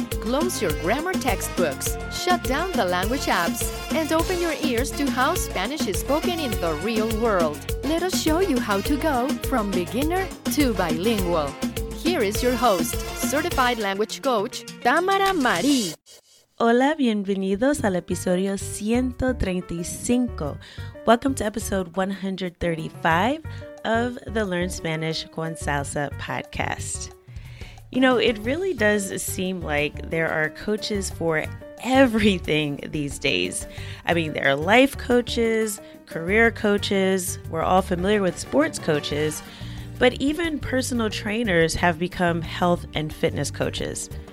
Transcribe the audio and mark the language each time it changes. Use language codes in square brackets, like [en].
[en] Close your grammar textbooks, shut down the language apps, and open your ears to how Spanish is spoken in the real world. Let us show you how to go from beginner to bilingual. Here is your host, certified language coach, Tamara Marie. [es] Hola, bienvenidos al episodio 135. [en] Welcome to episode 135 of the Learn Spanish con Salsa podcast. You know, it really does seem like there are coaches for everything these days. I mean, there are life coaches, career coaches, we're all familiar with sports coaches, but even personal trainers have become health and fitness coaches.